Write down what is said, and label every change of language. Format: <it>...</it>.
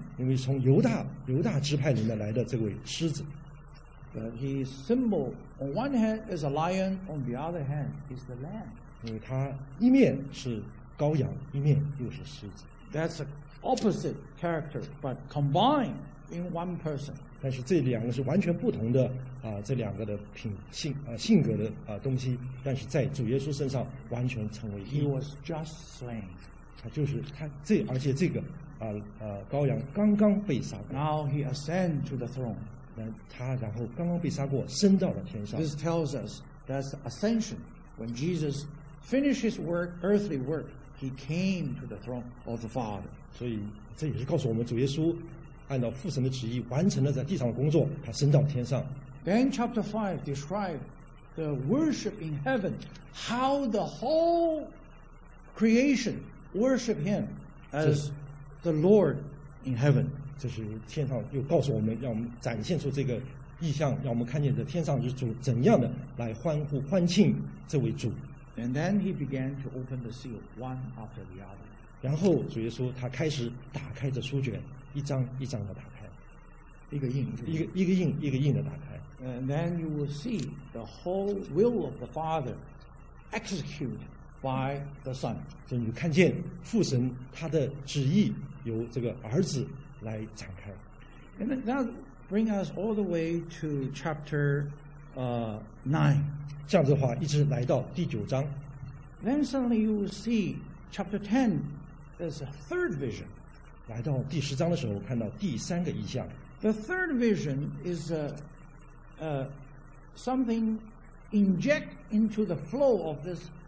<zh>因为从犹大支派里面来的这位狮子</zh> <en>But his symbol on one hand is a lion, on the other hand is the lamb.</en> <zh>因为他一面是羔羊，一面又是狮子。</zh> <en>That's an opposite character, but combined in one person.</en> <zh>但是这两个是完全不同的啊，这两个的品性啊，性格的啊东西，但是在主耶稣身上完全成为一。</zh> <en>He was just slain.</en> <zh>他就是他这，而且这个。羔羊刚刚被杀过。</zh> <en>Now he ascend to the throne.</en> <zh>他然后刚刚被杀过，升到了天上。</zh> <en>This tells us that's the ascension. When Jesus finished his work, earthly work, he came to the throne of the Father.</en> <zh>所以这也是告诉我们，主耶稣按照父神的旨意完成了在地上的工作，他升到天上。</zh> <en>Then chapter 5 describes the worship in heaven, how the whole creation worship him as The Lord in heaven.</en> <zh>这是天上又告诉我们，让我们展现出这个意象，让我们看见这天上之主怎样的来欢呼欢庆这位主。</zh> <en>And then he began to open the seal one after the other.</en> <zh>然后主耶稣他开始打开这书卷，一张一张的打开，一个印一个印一个印的打开。</zh> <en>And then you will see the whole will of the Father executed. By the Son,</en> <zh>就你看见父神他的旨意由这个儿子来展开。</zh> <en>And that brings us all the way to chapter, nine.</en> <zh>这样子的话，一直来到第九章。</zh> <en>Then suddenly you will see chapter 10 is a third vision.</en> <zh>来到第十章的时候，看到第三个意象。</zh> <en>The third vision is a, something inject into the flow of this.</en>